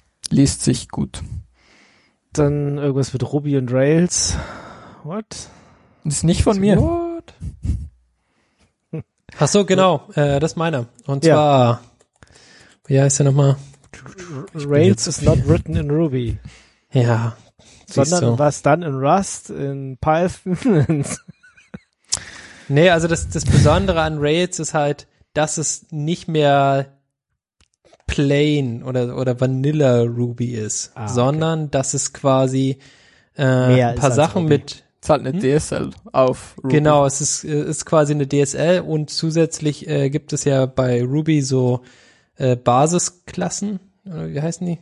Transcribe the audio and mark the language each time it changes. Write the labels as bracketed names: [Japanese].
[German] Liest sich gut. Dann irgendwas mit Ruby und Rails. [English] What? [German] Ist nicht von mir. [English] What? [German] Ach so, genau, das ist meiner. Und zwar, wie heißt der nochmal? [English] Rails is not written in Ruby. [German] Ja. Sondern was dann in Rust, in Python? Nee, also das Besondere an Rails ist halt, dass es nicht mehr plain oder Vanilla Ruby ist, sondern dass es quasi ein paar Sachen Ruby. Mit. Es ist halt eine DSL auf Ruby. Genau, es ist quasi eine DSL und zusätzlich gibt es ja bei Ruby so Basisklassen, oder wie heißen die?